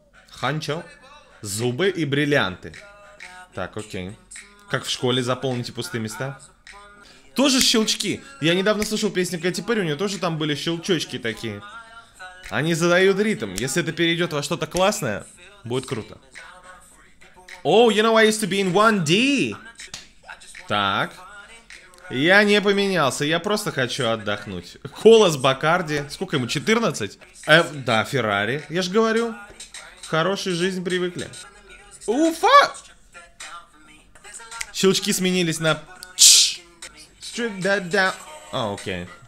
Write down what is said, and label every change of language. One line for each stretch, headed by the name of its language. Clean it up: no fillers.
Russian: Ханчо. Зубы и бриллианты. Так, окей. Как в школе, заполните пустые места. Тоже щелчки. Я недавно слышал песню Кэти Перри, у нее тоже там были щелчочки такие. Они задают ритм. Если это перейдет во что-то классное, будет круто.
English: Oh, you know I used to be in 1D.
Russian: Так. Я не поменялся, я просто хочу отдохнуть. Колос Бакарди. Сколько ему, 14? Да, Феррари, я же говорю. Хорошей жизни привыкли. Уфа! Щелчки сменились на... Strip that down. О, окей.